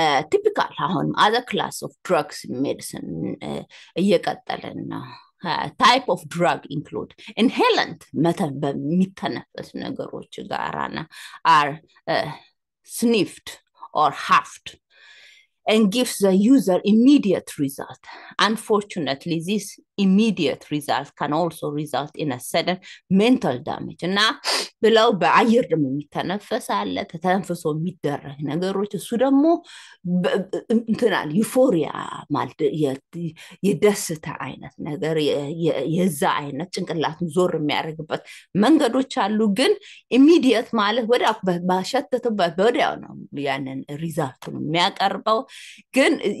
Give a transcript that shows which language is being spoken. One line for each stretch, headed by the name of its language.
English: ቲፒካል አሁንም አዘር ክላስ ኦፍ ድራግስ ሜዲሲን እየቀጠልን ነው። type of drug include inhalant method
Amharic: በሚተነፈስ ነገሮች ጋራና
English: are sniffed or huffed and gives the user immediate result. Unfortunately, this immediate result can also result in a sudden mental damage.
Amharic: እና ብለው በአየር ደግሞ የሚተነፈስ አለ፣ ተተንፍሶ የሚደረግ ነገሮች። እሱ ደግሞ እንትናል ዩፎሪያ ማለት የደስታ አይነት ነገር፣ የዛ አይነት ጭንቅላቱን ዞር የሚያደርግበት መንገዶች አሉ። ግን ኢሚዲየት ማለት ወደ ባሸተትበት ወዲያው ነው ያንን ሪዛልቱን የሚያቀርበው። ግን